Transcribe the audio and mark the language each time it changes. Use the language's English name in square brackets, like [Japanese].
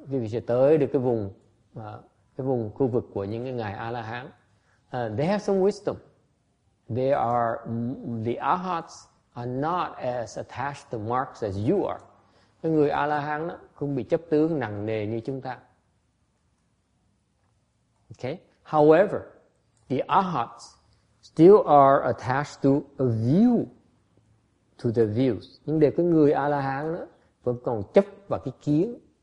[Vietnamese] quý vị sẽ tới được cái vùng khu vực của những cái ngài A-la-hán. [English] They have some wisdom. They are, the arhats are not as attached to marks as you are. [Vietnamese] Cái người A-la-hán đó không bị chấp tướng nặng nề như chúng ta. [English] Okay. However, the arhats still are attached to a view, to the views. [Vietnamese] Nhưng để cái người A-la-hán đó vẫn còn chấp vào cái kiến.